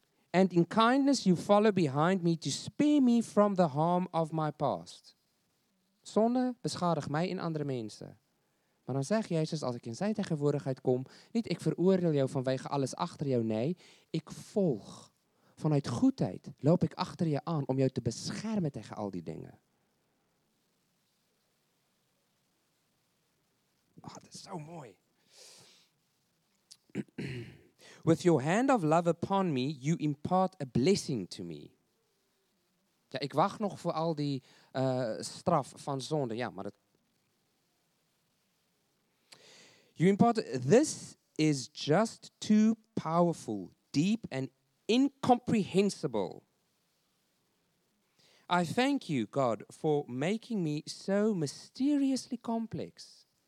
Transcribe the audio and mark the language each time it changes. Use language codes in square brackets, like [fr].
[en] And in kindness you follow behind me to spare me from the harm of my past. [nl] Zonde beschadigt mij en andere mensen. Maar dan zegt Jezus, als ik in zijn tegenwoordigheid kom, niet ik veroordeel jou vanwege alles achter jou, nee. Ik volg. Vanuit goedheid loop ik achter je aan om jou te beschermen tegen al die dingen. Ah, dat is zo mooi. [en] With your hand of love upon me, you impart a blessing to me. [nl] Ja, ik wacht nog voor al die straf van zonde. Ja, maar dat... [en] You impart... This is just too powerful, deep and incomprehensible. I thank you, God, for making me so mysteriously complex.